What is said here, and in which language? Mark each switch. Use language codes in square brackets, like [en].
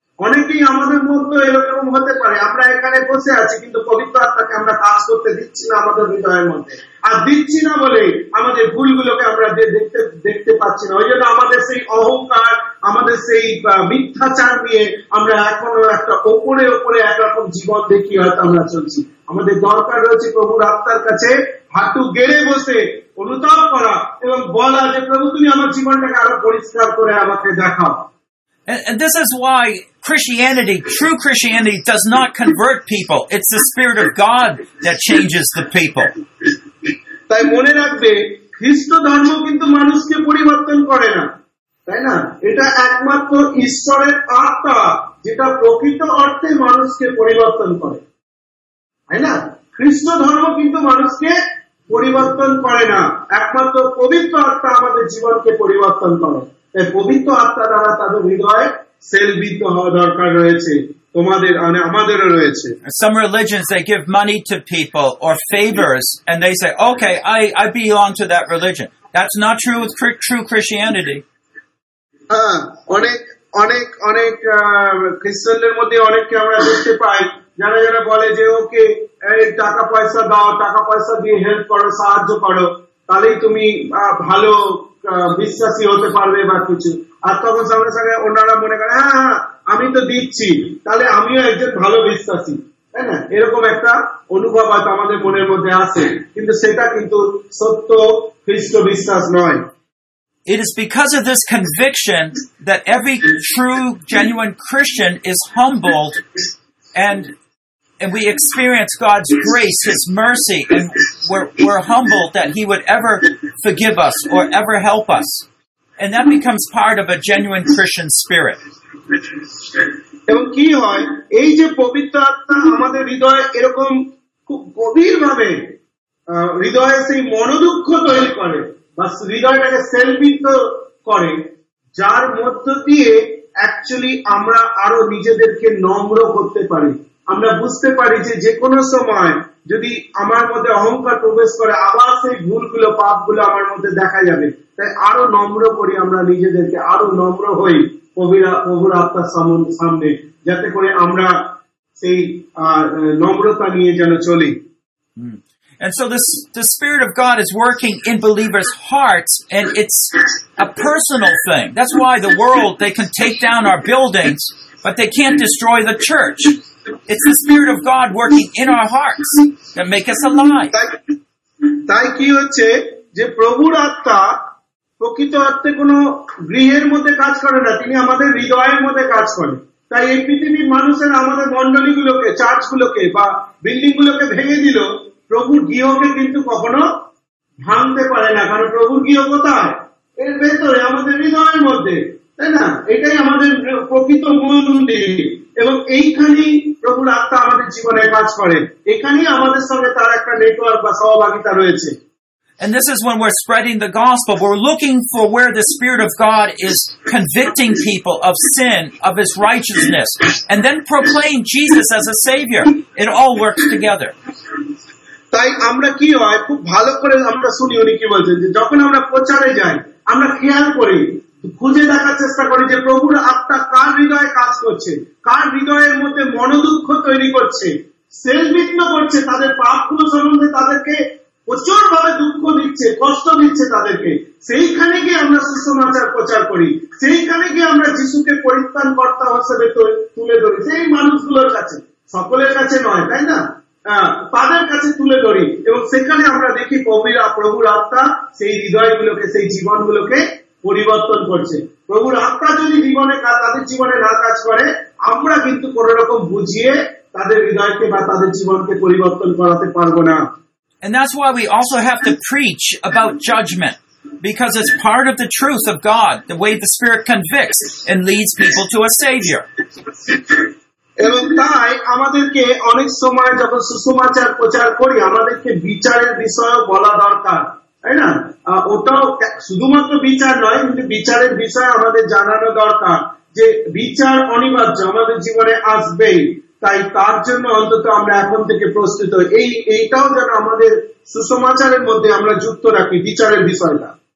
[bn] অনেকেই আমাদের মধ্যে এরকম হতে পারে, আমরা এখানে বসে আছি কিন্তু পবিত্র আত্মাকে আমরা কাজ করতে দিচ্ছি না আমাদের হৃদয়ের মধ্যে, আর দিচ্ছি না বলে আমাদের ভুলগুলোকে আমরা দেখতে পাচ্ছি না, ওই জন্য আমাদের সেই অহংকার আমাদের সেই মিথ্যাচার নিয়ে আমরা এখনো একটা ওপরে ওপরে একরকম জীবন দেখি হয়তো আমরা চলছি। আমাদের দরকার রয়েছে প্রভুর আত্মার কাছে হাঁটু গেড়ে বসে অনুতাপ করা এবং বলা যে প্রভু তুমি আমার জীবনটাকে আরো পরিষ্কার করে আমাকে দেখাও। [en] And this is why Christianity, true Christianity, does not convert people. It's the Spirit of God that changes the people. [bn] তাই মনে রাখবে, খ্রিস্ট ধর্ম কিন্তু মানুষকে পরিবর্তন করে না, তাই না? এটা একমাত্র ঈশ্বরের আত্মা যেটা প্রকৃত অর্থে মানুষকে পরিবর্তন করে, তাই না? খ্রিস্ট ধর্ম কিন্তু মানুষকে পরিবর্তন করে না, একমাত্র পবিত্র আত্মা আমাদের জীবনকে পরিবর্তন করে। পবিত্র আত্মা দ্বারা তাদের হৃদয়ে সেলবিত্ত হওয়া দরকার রয়েছে, তোমাদের মানে আমাদেরও রয়েছে। [en] Some religions, they give money to people or favors and they say, okay, I belong to that religion. That's not true with true Christianity. [bn] অনেক অনেক অনেক খ্রিস্টানদের মধ্যে অনেককে আমরা দেখতে পাই যারা যারা বলে যে ওকে টাকা পয়সা দাও, টাকা পয়সা দিয়ে হেল্প করো, সাহায্য করো, তাহলেই তুমি ভালো বিশ্বাসী হতে পারবে বা কিছু। আর তখন সঙ্গে সঙ্গে ওনারা মনে করে হ্যাঁ আমি তো দিচ্ছি তাহলে আমিও একজন ভালো বিশ্বাসী, তাই না? এরকম একটা অনুভব হয়তো আমাদের মনের মধ্যে আসে, কিন্তু সেটা কিন্তু সত্য খ্রিস্ট বিশ্বাস নয়। [en] It is because of this conviction that every true, genuine Christian is humbled and we experience God's grace, His mercy, and we're humbled that He would ever forgive us or ever help us. And that becomes part of a genuine Christian spirit. [bn] এবং কি হয়, এই যে পবিত্র আত্মা আমাদের হৃদয়ে এরকম খুব গভীরভাবে হৃদয়ে সেই মনোদুঃখ তৈরি করে বা হৃদয়টাকে সেলবিত্ত করে, যার মধ্য দিয়ে অ্যাকচুয়ালি আমরা আরো নিজেদেরকে নম্র করতে পারি। আমরা বুঝতে পারি যে কোনো সময় যদি আমার মধ্যে অহংকার প্রবেশ করে আবার সেই ভুলগুলো পাপগুলো আমার মধ্যে দেখা যাবে, তাই আরো নম্র করি আমরা নিজেদেরকে, আরো নম্র হই প্রভুর আত্মার সামনে, যাতে করে আমরা সেই নম্রতা নিয়ে যেন চলি। [en] And so the Spirit of God is working in believers' hearts, and it's a personal thing. That's why the world, they can take down our buildings, but they can't destroy the church. It's the Spirit of God working in our hearts that make us alive. [bn] তাই কি হচ্ছে যে প্রভুর আত্মা প্রকৃত অর্থে কোন গৃহের মধ্যে কাজ করে না, তিনি আমাদের হৃদয়ের মধ্যে কাজ করেন। তাই এই পৃথিবীর মানুষের আমাদের মণ্ডলী গুলোকে, চার্চ গুলোকে বা বিল্ডিং গুলোকে ভেঙে দিল, প্রভুর গৃহকে কিন্তু কখনো ভাঙতে পারে না, কারণ প্রভুর গৃহ কোথায়? এর ভেতরে আমাদের হৃদয়ের মধ্যে, তাই না? এটাই আমাদের প্রকৃত মূল মন্দির, এবং এইখানেই প্রভুর আত্মা আমাদের জীবনে কাজ করে, এখানেই আমাদের সঙ্গে তার একটা নেটওয়ার্ক বা সহভাগিতা রয়েছে। [en] And this is when we're spreading the gospel. We're looking for where the Spirit of God is convicting people of sin, of His righteousness, and then proclaim Jesus as a Savior. It all works together. [bn] তাই আমরা কি হয় খুব ভালো করে আমরা শুনি উনি কি বলছেন যে যখন আমরা প্রচারে যাই আমরা খেয়াল করি খুঁজে দেখার চেষ্টা করি যে প্রভুর আত্মা কার হৃদয়ে কাজ করছে কার হৃদয়ের মধ্যে মনোদুঃখ তৈরি করছে সেলবিঘ্ন করছে তাদের পাপগুলো সম্বন্ধে তাদেরকে প্রচুর ভাবে দুঃখ দিচ্ছে কষ্ট দিচ্ছে তাদেরকে সেইখানে গিয়ে আমরা সুসমাচার প্রচার করি সেইখানে গিয়ে আমরা যিশুকে পরিত্রাণকর্তা হিসেবে তুলে ধরি সেই মানুষগুলোর কাছে সকলের কাছে নয় তাই না তাদের কাছে তুলে ধরি এবং সেখানে আমরা দেখি প্রভুর আত্মা সেই হৃদয়গুলোকে সেই জীবনগুলোকে পরিবর্তন করছে প্রভুর আত্মা যদি জীবনে তাদের জীবনে না কাজ করে আমরা কিন্তু কোন রকম বুঝিয়ে তাদের হৃদয়কে বা তাদের জীবনকে পরিবর্তন করাতে পারবো না [en] And that's why we also have to preach about judgment, because it's part of the truth of God, the way the Spirit convicts and leads people to a Savior. [bn] এবং তাই আমাদেরকে অনেক সময় যখন সুসমাচার প্রচার করি আমাদেরকে বিচারের বিষয় বলা দরকার তাই না ওটাও শুধুমাত্র বিচার নয় কিন্তু বিচারের বিষয় আমাদের জানানো দরকার যে বিচার অনিবার্য আমাদের জীবনে আসবেই তাই তার জন্য অন্তত আমরা এখন থেকে প্রস্তুত এই এইটাও যেন আমাদের সুসমাচারের মধ্যে আমরা যুক্ত রাখি বিচারের বিষয়টা